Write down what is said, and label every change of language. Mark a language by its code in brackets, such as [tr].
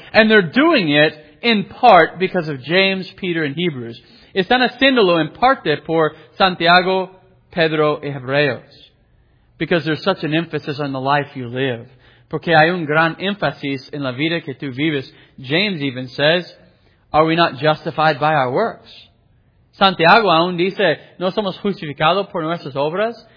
[en] And they're doing it in part because of James, Peter, and Hebrews. [es] Están haciéndolo en parte por Santiago, Pedro, y Hebreos. [en] Because there's such an emphasis on the life you live. [es] Porque hay un gran énfasis en la vida que tú vives. [en] James even says, are we not justified by our works? [es] Santiago aún dice, no somos justificados por nuestras obras.